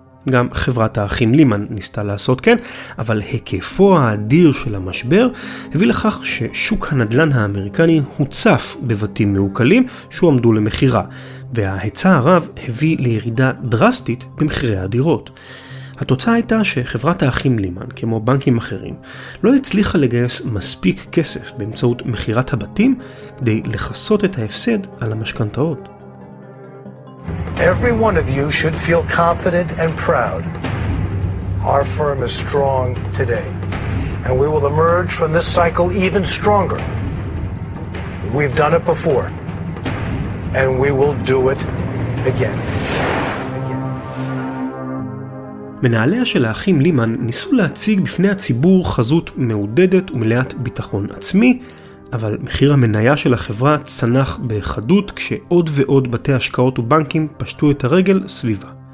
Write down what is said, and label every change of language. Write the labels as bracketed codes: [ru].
[he] גם חברת האחים לימן ניסתה לעשות כן, אבל היקפו האדיר של המשבר הביא לכך ששוק הנדלן האמריקני הוצף בבתים מעוקלים שעמדו למחירה, וההיצע הרב הביא לירידה דרסטית במחירי הדירות. התוצאה הייתה שחברת האחים לימן, כמו בנקים אחרים, לא הצליחה לגייס מספיק כסף באמצעות מחירת הבתים כדי לחסות את ההפסד על המשכנתאות. [en] Every one of you should feel confident and proud. Our firm is strong today, and we will emerge from this cycle even stronger. We've done it before, and we will do it again. [he] מנהליה של האחים לימן ניסו להציג בפני הציבור חזות מעודדת ומלאת ביטחון עצמי, אבל מחיר המניה של החברה צנח בחדות כשעוד ועוד בתי השקעות ובנקים פשטו את הרגל סביבה.